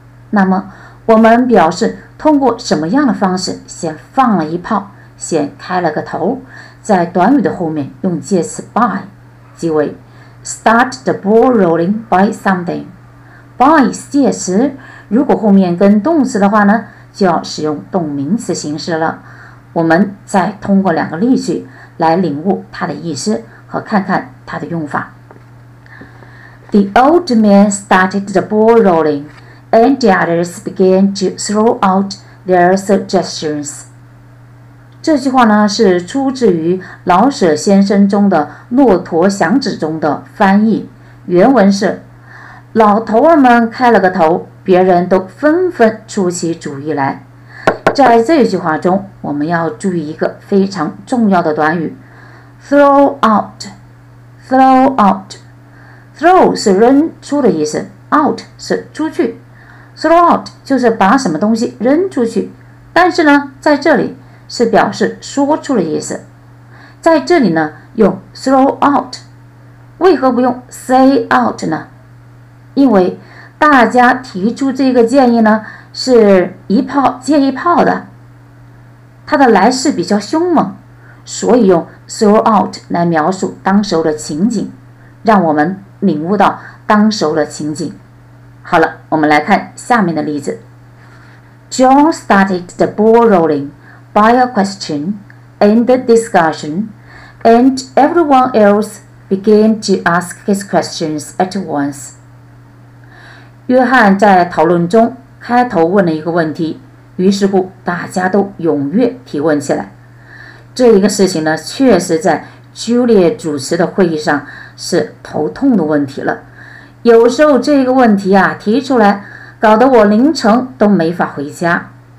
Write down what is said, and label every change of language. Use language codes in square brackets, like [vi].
[zh] 那么我们表示通过什么样的方式先放了一炮、先开了个头，在短语的后面用介词 by， 即为 start the ball rolling by something。 by 介词如果后面跟动词的话呢，就要使用动名词形式了。我们再通过两个例句来领悟它的意思和看看它的用法。 [en] The old man started the ball rolling and the others began to throw out their suggestions。 [zh] 这句话呢是出自于老舍先生中的《骆驼祥子》中的翻译，原文是：老头儿们开了个头，别人都纷纷出起主意来。在这句话中，我们要注意一个非常重要的短语 ：throw out。throw out。 throw 是扔出的意思 ，out 是出去。 throw out 就是把什么东西扔出去，但是呢，在这里。是表示说出的意思，在这里呢用 throw out， 为何不用 say out 呢？因为大家提出这个建议呢是一炮接一炮的，它的来势比较凶猛，所以用 throw out 来描述当时候的情景，让我们领悟到当时候的情景。好了，我们来看下面的例子。 [en] John started the ball rolling by a question and the discussion, and everyone else began to ask his questions at once. [zh] 约翰在讨论中开头问了一个问题，于是乎大家都踊跃提问起来。这一个事情呢，确实在 Julia 主持的会议上是头痛的问题了。有时候这个问题啊提出来，搞得我凌晨都没法回家。